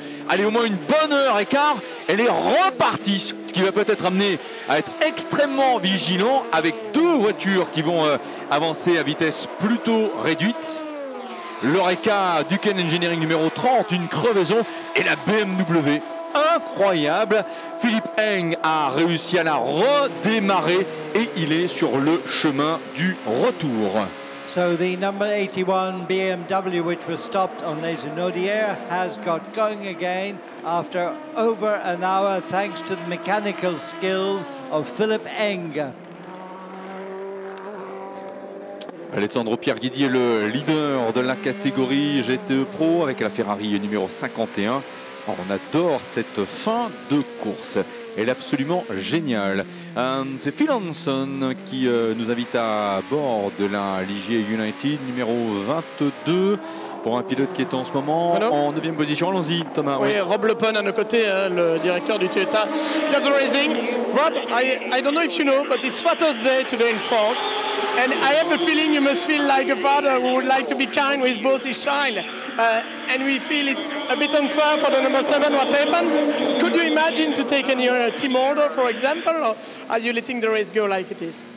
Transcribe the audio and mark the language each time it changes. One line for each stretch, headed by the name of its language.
French: allez, au moins une bonne heure et quart, elle est repartie, ce qui va peut-être amener à être extrêmement vigilant avec deux voitures qui vont avancer à vitesse plutôt réduite. L'Oreca Duken Engineering numéro 30, une crevaison, et la BMW. Incroyable, Philippe Heng a réussi à la redémarrer et il est sur le chemin du retour.
English: So the number 81 BMW, which was stopped on Les Enaudières, has got going again after over an hour, thanks to the mechanical skills of Philippe Heng.
French: Alessandro Pierguidi est le leader de la catégorie GT Pro avec la Ferrari numéro 51. On adore cette fin de course. Elle est absolument géniale. C'est Phil Hansen qui nous invite à bord de la Ligier United numéro 22 pour un pilote qui est en ce moment en 9e position. Allons-y, Thomas. Oui, oui. Rob Le Pen à nos côtés, hein, le directeur du Toyota Gazoo Racing.
English: Rob, I don't know if you know, but it's Father's Day today in France. And I have the feeling you must feel like a father who would like to be kind with both his child. And we feel it's a bit unfair for the number 7 what happened. Could you imagine to take in your team order, for example, or are you letting the race go like it is?